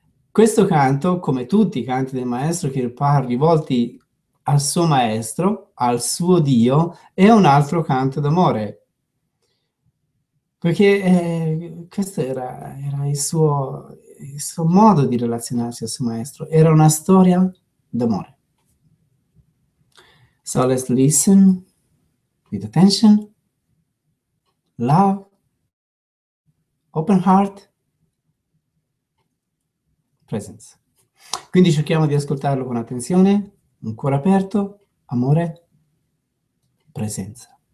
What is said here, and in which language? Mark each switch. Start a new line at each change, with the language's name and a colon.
Italian: Questo canto, come tutti i canti del maestro Kirpal rivolti al suo maestro, al suo Dio, è un altro canto d'amore. Perché questo era il suo modo di relazionarsi al suo maestro. Era una storia d'amore.
English: So let's listen with attention, love, open heart, presence.
Italian: Quindi cerchiamo di ascoltarlo con attenzione, un cuore aperto, amore, presenza.